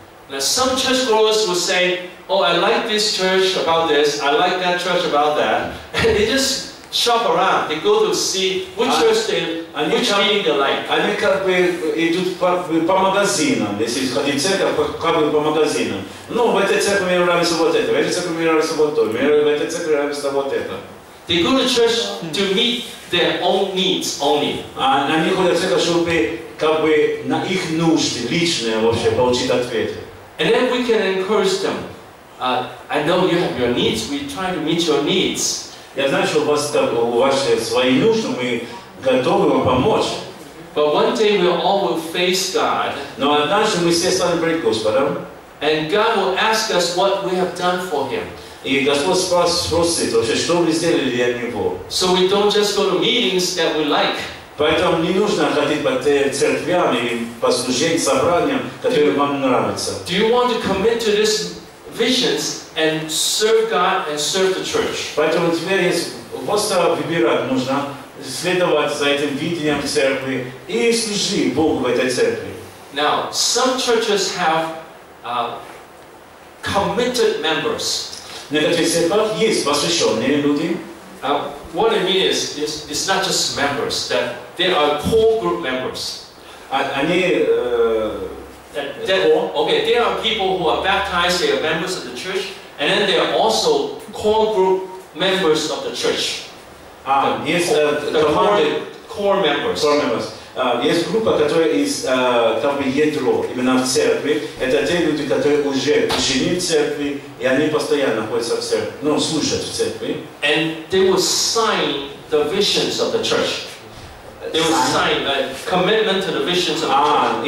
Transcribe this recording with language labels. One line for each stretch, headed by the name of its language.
English: Now some churchgoers will say, oh, I like this church about this, I like that church about that. And they just shop around. They go to see which church they like, which meeting they like.
Russian: Они как бы идут по магазинам. Если ходить в церковь, как бы по магазинам. Ну, в этой церкви мне нравится вот это, в этой церкви мне нравится вот то, в этой церкви нравится вот это.
English: They go to church to meet their own needs only.
Russian: Они ходят в церковь, чтобы как бы на их нужды личные вообще получить ответы.
English: And then we can encourage them. I know you have your needs. We try to meet your needs.
Russian: Я знаю, что у вас свои нужды. Мы готовы вам помочь.
English: But one day we all will face God.
Russian: Но однажды мы все станем пред Господом.
English: And God will ask us what we have done for Him.
Russian: И Господь спросит, что мы сделали для Него.
English: So we don't just go to meetings that we like.
Russian: Поэтому не нужно ходить по церквям или по служению, собраниям, которые вам нравятся.
English: Do you want to commit to this vision and serve God and serve the church?
Russian: Поэтому теперь просто выбирать нужно следовать за этим видением церкви и служить Богу в этой церкви.
English: Now, some churches have committed members.
Russian: Некоторые церкви есть посвященные люди.
English: What I mean is, it's not just members, that they are core group members. Okay, there are people who are baptized, they are members of the church, and then they are also core group members of the church. Core members. Core members.
Russian: Есть группа, которая из там бы ядро именно в церкви. Это те люди, которые уже ученики церкви, и они постоянно ходят в церкви, ну, слушают в церкви.
English: And they will sign the visions of the church. They will sign a commitment to the visions of the church.